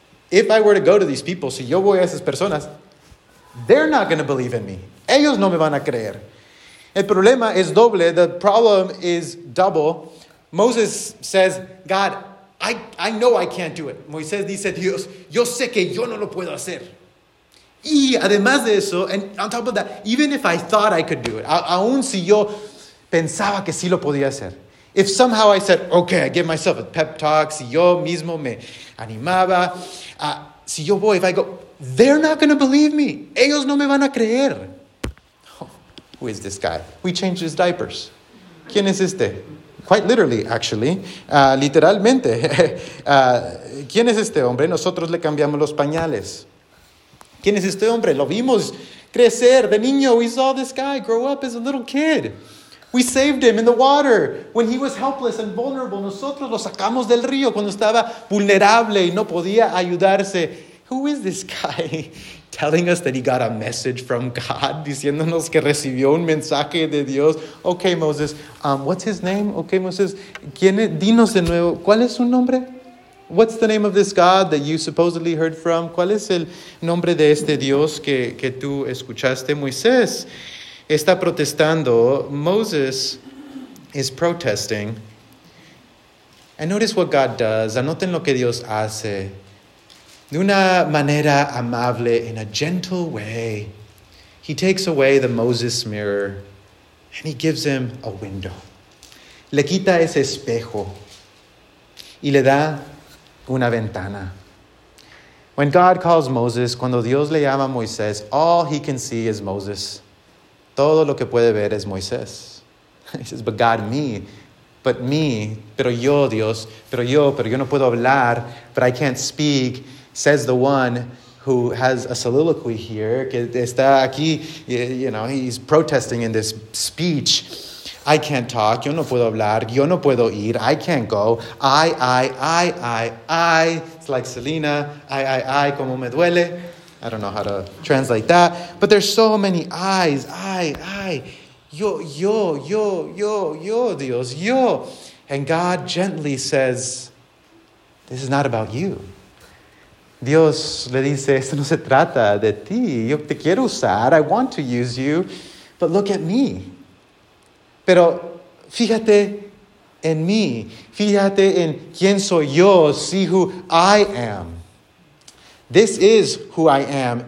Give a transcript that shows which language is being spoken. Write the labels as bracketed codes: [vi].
[en] If I were to go to these people, si yo voy a esas personas, they're not going to believe in me. [es] Ellos no me van a creer. El problema es doble. [en] The problem is double. Moses says, God, I know I can't do it. [es] Moisés dice, Dios, yo sé que yo no lo puedo hacer. [en] Y además de eso, and on top of that, even if I thought I could do it, aun si yo pensaba que sí lo podía hacer, if somehow I said, okay, I give myself a pep talk, si yo mismo me animaba, si yo voy, if I go, they're not going to believe me. [es] Ellos no me van a creer. Oh, who is this guy? [en] We changed his diapers. ¿Quién es este? Quite literally, actually. [es] Literalmente. ¿Quién es este hombre? Nosotros le cambiamos los pañales. ¿Quién es este hombre? Lo vimos crecer de niño. [en] We saw this guy grow up as a little kid. We saved him in the water when he was helpless and vulnerable. [es] Nosotros lo sacamos del río cuando estaba vulnerable y no podía ayudarse. [en] Who is this guy telling us that he got a message from God, diciéndonos que recibió un mensaje de Dios? Okay, Moses, what's his name? Okay, Moses, ¿quién es? [es] Dinos de nuevo, ¿cuál es su nombre? [en] What's the name of this God that you supposedly heard from? [es] ¿Cuál es el nombre de este Dios que tú escuchaste? Moisés está protestando. Moses is protesting. [en] And notice what God does. Anoten lo que Dios hace. De una manera amable, in a gentle way, he takes away the Moses mirror and he gives him a window. [es] Le quita ese espejo y le da una ventana. [en] When God calls Moses, cuando Dios le llama a Moisés, all he can see is Moses. [es] Todo lo que puede ver es Moisés. He says, but God, me. But me, pero yo, Dios, pero yo no puedo hablar, but I can't speak. [en] Says the one who has a soliloquy here, que está aquí, you know, he's protesting in this speech. [es] I can't talk, yo no puedo hablar, yo no puedo ir, I can't go. [en] I. It's like Selena, I, como me duele. I don't know how to translate that. But there's so many I's, I. [es] Yo, Dios, yo. [en] And God gently says, this is not about you. [es] Dios le dice, esto no se trata de ti. Yo te quiero usar. I want to use you. But look at me. Pero fíjate en mí. Fíjate en quién soy yo. [en] See who I am. This is who I am.